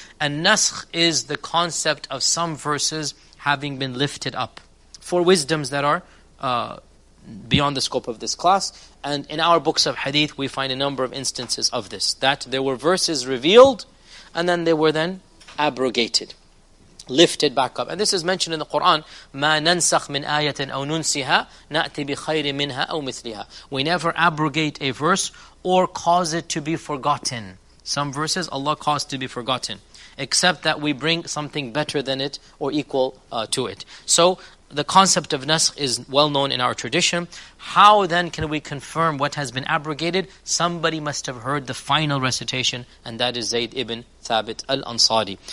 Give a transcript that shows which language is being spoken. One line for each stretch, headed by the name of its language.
English: And naskh is the concept of some verses having been lifted up for wisdoms that are beyond the scope of this class. And in our books of hadith, we find a number of instances of this. That there were verses revealed, and then they were then abrogated. Lifted back up. And this is mentioned in the Quran,
Arabic: مَا نَنْسَخْ مِنْ آيَةٍ أَوْ نُنْسِهَا نَأْتِ بِخَيْرٍ مِنْهَا أَوْ مِثْلِهَا.
English: We never abrogate a verse or cause it to be forgotten. Some verses Allah caused to be forgotten, except that we bring something better than it or equal to it. So the concept of nasq is well known in our tradition. How then can we confirm what has been abrogated? Somebody must have heard the final recitation, and that is Zayd ibn Thabit al-Ansari.